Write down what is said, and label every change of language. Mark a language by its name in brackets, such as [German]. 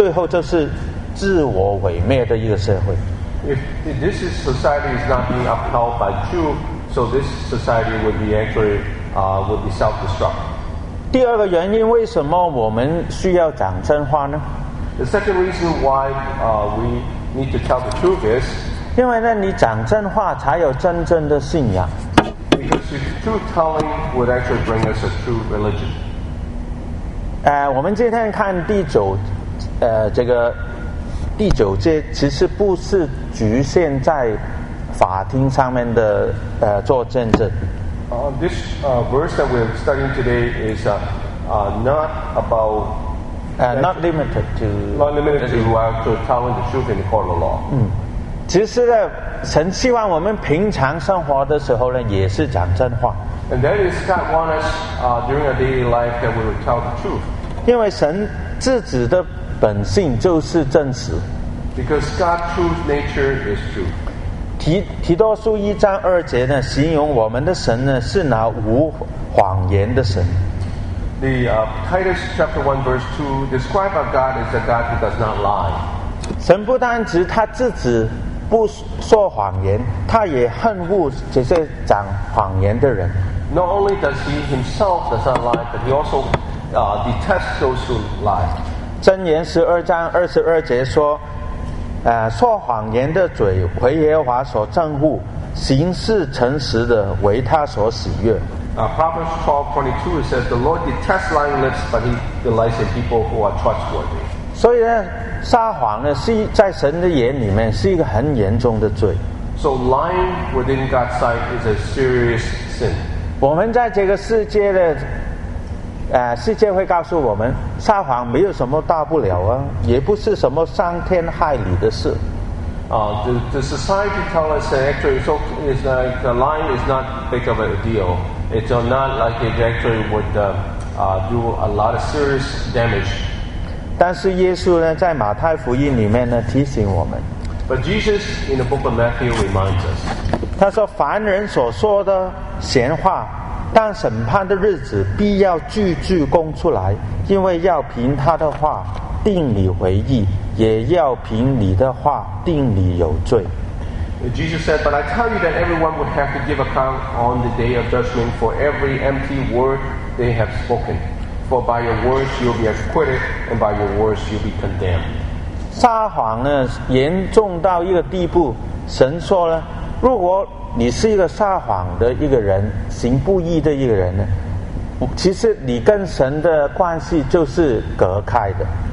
[Chinese] 你没有一个法治的社会的时候呢，其实这个社会最后就是自我毁灭的一个社会。 [English] If this is society is not being upheld by truth, so this society would be actually would be self-destruct. [Chinese] 第二个原因，为什么我们需要讲真话呢？ [English] The second reason why we need to tell the truth is [Chinese] 因为呢，你讲真话才有真正的信仰。 [English] Because truth telling would actually bring us a true religion. This verse that we're studying today is not about not limited to telling the truth in the court of law. [Chinese] 其实呢，神希望我们平常生活的时候呢，也是讲真话。 [English] And that is God wants us during our daily life that we would tell the truth. [Chinese] 因为神自己的本性就是真实。 [English] Because God's true nature is true. [Chinese] 提多书一章二节呢，形容我们的神呢是那无谎言的神。 [English] The Titus chapter 1 verse 2 describes our God as a God who does not lie. [Chinese] 神不单只他自己不说谎言，他也恨恶这些讲谎言的人。 [English] Not only does he himself does not lie, but he also detests those who lie. [Chinese] 箴言十二章二十二节说，说谎言的嘴为耶和华所憎恶，行事诚实的为他所喜悦。 [English] Proverbs 12:22 says, "The Lord detests lying lips, but he delights in people who are trustworthy." [Chinese] 所以呢，撒谎呢是在神的眼里面是一个很严重的罪。 [English] So lying within God's sight is a serious sin. [Chinese] 我们在这个世界的，世界会告诉我们，撒谎没有什么大不了啊，也不是什么伤天害理的事。 [English] The society tells us that actually it's like lying is not big of a deal. It's not like it actually would do a lot of serious damage. [Chinese] 但是耶稣呢，在马太福音里面呢，提醒我们。 [English] But Jesus in the book of Matthew reminds us. [Chinese] 他说，凡人所说的闲话，当审判的日子，必要句句供出来，因为要凭他的话定你回忆。也要凭你的话定你有罪。 [English] Jesus said, "But I tell you that everyone would have to give account on the day of judgment for every empty word they have spoken. For by your words you'll be acquitted, and by your words you'll be condemned." [Chinese] 撒谎呢，严重到一个地步，神说呢，如果你是一个撒谎的一个人，行不义的一个人呢，其实你跟神的关系就是隔开的。